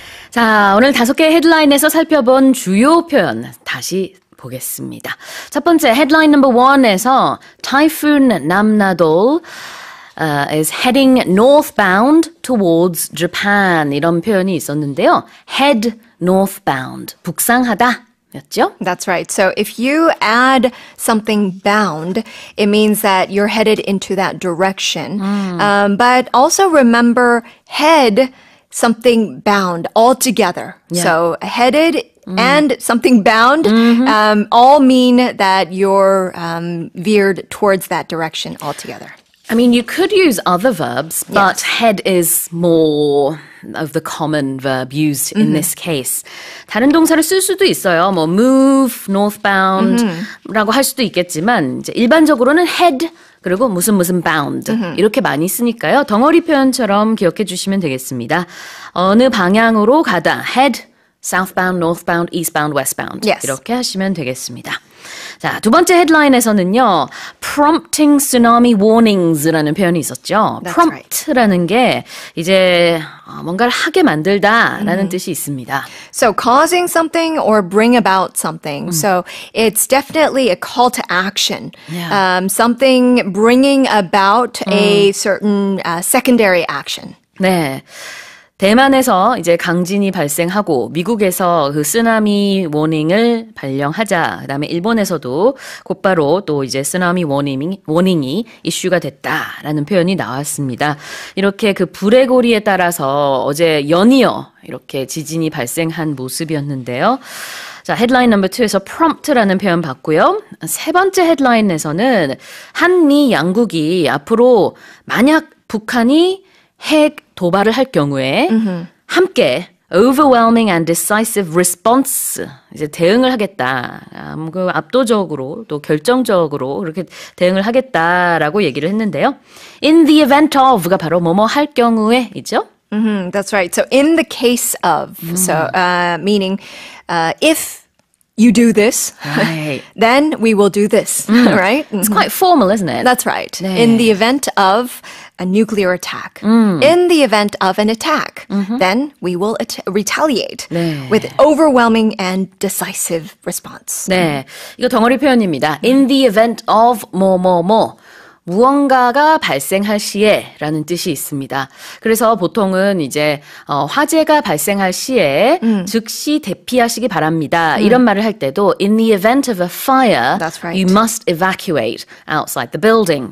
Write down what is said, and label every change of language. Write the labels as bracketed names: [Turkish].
[Korean] 자, 오늘 다섯 개의 헤드라인에서 살펴본 주요 표현 다시 보겠습니다. 첫 번째 헤드라인 넘버 1에서 [English] Typhoon Nanmadol is heading northbound towards Japan [Korean] 이런 표현이 있었는데요. [English] Head northbound, [Korean] 북상하다. [English] That's right. So if you add something bound, it means that you're headed into that direction. But also remember head something bound altogether. Yeah. So headed and something bound all mean that you're veered towards that direction altogether. I mean, you could use other verbs, but yes. head is more of the common verb used in this case. [Korean] 다른 동사를 쓸 수도 있어요. 뭐 move, northbound라고 할 수도 있겠지만 이제 일반적으로는 head 그리고 무슨 무슨 bound 이렇게 많이 쓰니까요. 덩어리 표현처럼 기억해 주시면 되겠습니다. 어느 방향으로 가다. [English] head, southbound, northbound, eastbound, westbound. Yes. [Korean] 이렇게 하시면 되겠습니다. 자, 두 번째 헤드라인에서는요. [English] prompting tsunami warnings [Korean] 라는 표현이 있었죠. prompt라는 게 이제 뭔가를 하게 만들다라는 뜻이 있습니다. [English] So causing something or bring about something. So it's definitely a call to action. Yeah. Something bringing about a certain secondary action. [Korean] 네. 대만에서 이제 강진이 발생하고 미국에서 그 쓰나미 워닝을 발령하자 그다음에 일본에서도 곧바로 또 이제 쓰나미 워닝이 이슈가 됐다라는 표현이 나왔습니다. 이렇게 그 불의 고리에 따라서 어제 연이어 이렇게 지진이 발생한 모습이었는데요. 자, 헤드라인 넘버 2에서 prompt라는 표현 봤고요. 세 번째 헤드라인에서는 한미 양국이 앞으로 만약 북한이 핵 도발을 할 경우에 함께 [English] overwhelming and decisive response [Korean] 이제 대응을 하겠다. 그 압도적으로 또 결정적으로 이렇게 대응을 하겠다라고 얘기를 했는데요. [English] In the event of [Korean] 가 바로 뭐뭐 할 경우에 있죠? [English] Mm-hmm, that's right. So in the case of, meaning if you do this, right. then we will do this, right? Mm-hmm. It's quite formal, isn't it? That's right. [Korean] 네. [English] In the event of a nuclear attack, in the event of an attack, then we will retaliate [Korean] 네. [English] with overwhelming and decisive response. [Korean] 네, 이거 덩어리 표현입니다. [English] In the event of 뭐뭐뭐. [Korean] 무언가가 발생할 시에 라는 뜻이 있습니다. 그래서 보통은 이제 화재가 발생할 시에 즉시 대피하시기 바랍니다. 이런 말을 할 때도 [English] in the event of a fire, That's right. you must evacuate outside the building.